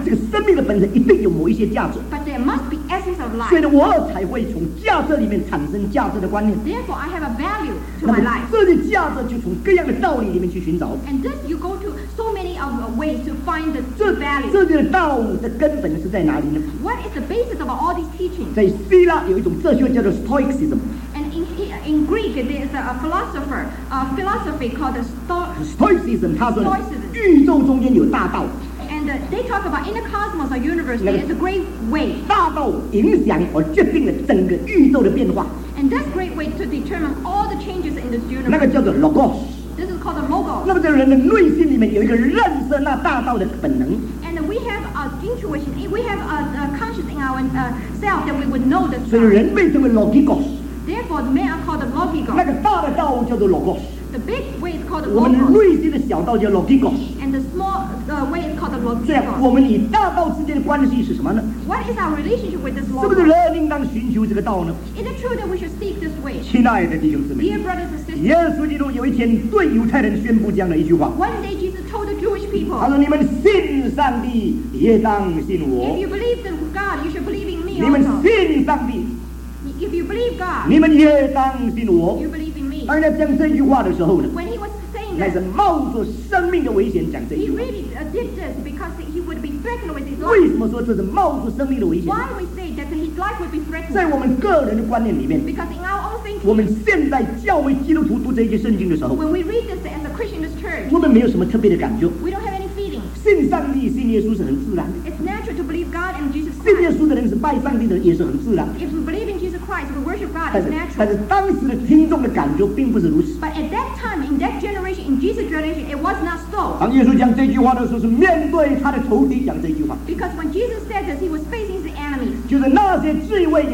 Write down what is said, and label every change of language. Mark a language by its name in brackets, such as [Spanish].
[Chinese] 但这个生命的本身一定有某一些价值。 [English] But there must be essence of life. [Chinese] 所以我才会从价值里面产生价值的观念。 [English] Therefore, I have a value to my life. [Chinese] 这些价值就从各样的道理里面去寻找。 [English] And this you go to so many of ways to find the value. [Chinese] 这些道理的根本是在哪里呢？ [English] What is the basis of all these teachings? [Chinese] 在希腊有一种哲学叫做 Stoicism。 [English] In Greek, there is a philosopher, a philosophy called [Chinese] Stoicism. 他说宇宙中间有大道。 [English] And they talk about in the cosmos or universe, there is a great way. [Chinese] 大道影响而决定了整个宇宙的变化。 [English] And that great way to determine all the changes in this universe. [Chinese] 那个叫做 Logos. [English] This is called the Logos. [Chinese] 那么在人的内心里面有一个认识那大道的本能。 [English] And we have a intuition, we have a conscious in our self that we would know this. [Chinese] 所以人被称为 Logos. [English] Therefore, the men are called the Logikos. [Chinese] 那个大的道叫做 Logos. [English] The big way is called the [Chinese] Logos. 我们内心的小道叫 Logikos. [English] And the small way is called the Logikos. [Chinese] 这样，我们与大道之间的关系是什么呢？ [English] What is our relationship with this Logos? [Chinese] 是不是人应当寻求这个道呢？ [English] Is it true that we should seek this way? [Chinese] 亲爱的弟兄姊妹， [English] Dear brothers and sisters, [Chinese] 耶稣基督有一天对犹太人宣布这样的一句话。 [English] One day Jesus told the Jewish people. [Chinese] 他说：“你们信上帝，也当信我。” [English] If you believe in God, you should believe in me also. [Chinese] 你们信上帝。 [English] If you believe God, [Chinese] 你们也当信我, [English] you believe in me. [Chinese] 当他讲这句话的时候呢, [English] when he was saying that, [Chinese] 乃是冒着生命的危险讲这句话, [English] he really did this because he would be threatened with his life. [Chinese] 为什么说这是冒着生命的危险? [English] Why we say that his life would be threatened? [Chinese] 在我们个人的观念里面, [English] because in our own thinking, [Chinese] 我们现在教会基督徒读这些圣经的时候, [English] when we read this in the Christian church, [Chinese] 我们没有什么特别的感觉, [English] we don't have any feelings. [Chinese] 信上帝信耶稣是很自然的, [English] it's natural to believe God and Jesus Christ. [Chinese] 信耶稣的人是拜上帝的人也是很自然的, [English] if we believe in Jesus Christ, we worship God, it's natural. [Chinese] 但是当时的听众的感觉并不是如此。 [English] But at that time, in that generation, in Jesus' generation, it was not so. [Chinese] 当耶稣讲这句话的时候，是面对他的仇敌讲这句话。 [English] Because when Jesus said this, he was facing his enemies.